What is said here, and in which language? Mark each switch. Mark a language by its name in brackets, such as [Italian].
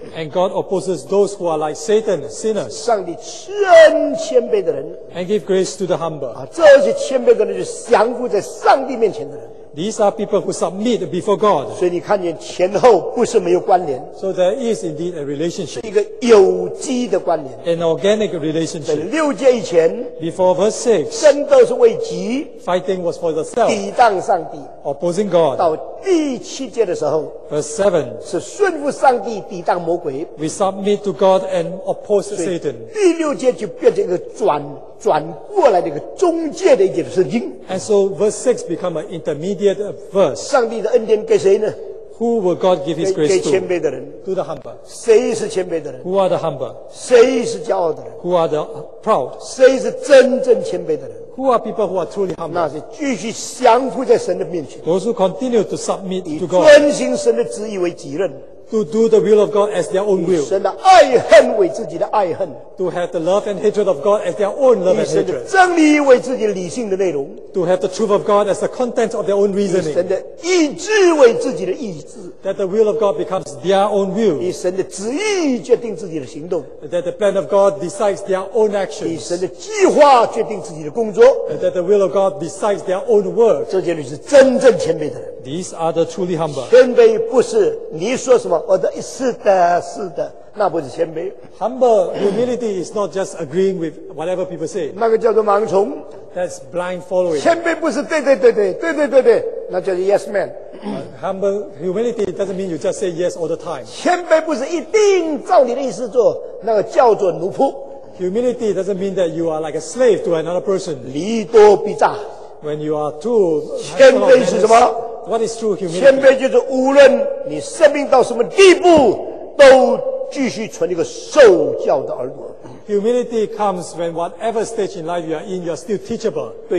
[English] and God opposes those who are like Satan, sinners. [Chinese] 上帝赐恩谦卑的人, [English] and give grace to the humble. [Chinese] 这些谦卑的人就降服在上帝面前的人, [English] these are people who submit before God. [Chinese] 所以你看见前后不是没有关联, [English] so there is indeed a relationship, [Chinese] 是一个有机的关联, [English] an organic relationship. [Chinese] 在六节以前, [English] before verse 6, [Chinese] 争斗是为己, [English] fighting was for the self, [Chinese] 抵挡上帝, [English] opposing God. [Chinese] 到第七节的时候, [English] verse 7, [Chinese] 是顺服上帝抵挡魔鬼, [English] we submit to God and oppose Satan. [Chinese] 第六节就变成一个转, 转过来的一个中介的一节的圣经, [English] and so verse 6 become an intermediate verse. [Chinese] 上帝的恩典给谁呢? [English] Who will God give his grace to? [Chinese] 给谦卑的人, [English] to the humble. [Chinese] 谁是谦卑的人? [English] Who are the humble? [Chinese] 谁是骄傲的人? [English] Who are the proud? [Chinese] 谁是真正谦卑的人? [English] Who are people who are truly humble? [Chinese] 那些继续降服在神的面前, [English] those who continue to submit to God, [Chinese] 遵行神的旨意为己任, [English] to do the will of God as their own will, [Chinese] 以神的爱恨为自己的爱恨, [English] to have the love and hatred of God as their own love and hatred, [Chinese] 以神的真理为自己理性的内容, [English] to have the truth of God as the content of their own reasoning, [Chinese] 以神的意志为自己的意志, [English] that the will of God becomes their own will, [Chinese] 以神的旨意决定自己的行动, [English] that the plan of God decides their own actions, [Chinese] 以神的计划决定自己的工作, [English] and that the will of God decides their own work. [Chinese] 这些人是真正谦卑的人, [English] these are the truly humble. [Chinese] 谦卑不是你说什么我的是的是的, 那不是谦卑, [English] humble humility is not just agreeing with whatever people say, [Chinese] 那个叫做盲从, [English] that's blind following. [Chinese] 谦卑不是对对对对对对对对, 那叫做 [English] yes man. Humble humility doesn't mean you just say yes all the time. [Chinese] 谦卑不是一定照你的意思做, 那个叫做奴仆. [English] Humility doesn't mean that you are like a slave to another person. [Chinese] 礼多必诈, [English] when you are too, [Chinese] 谦卑是什么? [English] What is true humility? [Chinese] 谦卑就是无论你生命到什么地步, 都继续存一个受教的耳朵。 [English] Humility comes when whatever stage in life you are in, you are still teachable.